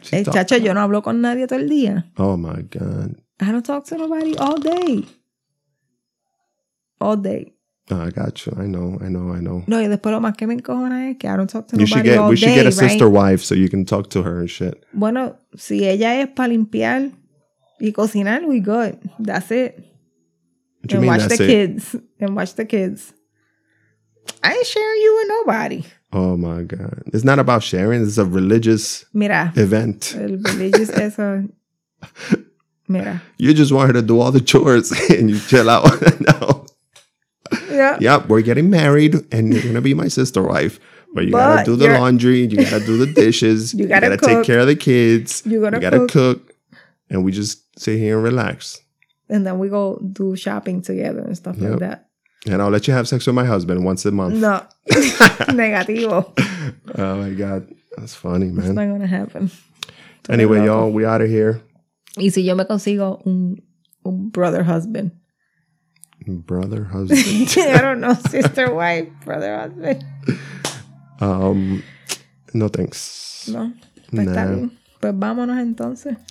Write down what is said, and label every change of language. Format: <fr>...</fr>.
<es>Chacho, yo no hablo con nadie todo el día.</es> <en>Oh, my God. I don't talk to nobody all day. All day. Oh, I got you. I know.</en> <es>No, y después lo más que me encojona es que</es> <en>I don't talk to nobody We should get a right? sister wife so you can talk to her and shit.</en> <es>Bueno, si ella es para limpiar y cocinar,</es> <en>we good. That's it. And watch the kids. I ain't sharing you with nobody. Oh my God. It's not about sharing. It's a religious event.</en> <es>El religious es a... Mira.</es> <en>You just want her to do all the chores and you chill out. No. Yeah. Yep. We're getting married and you're going to be my sister wife. But you gotta do the laundry. You gotta do the dishes. You gotta take care of the kids. You gotta cook. And we just sit here and relax. And then we go do shopping together and stuff like that. And I'll let you have sex with my husband once a month.</en> <es>No. Negativo.</es> <en>Oh my God. That's funny, man. It's not going to happen. Anyway, y'all, we out of here.</en> <es>Y si yo me consigo un brother husband.</es> <en>Brother husband? I don't know. Sister wife, brother husband. No thanks.</en> <es>No. Pues nah. Está bien. Pues vámonos entonces.</es>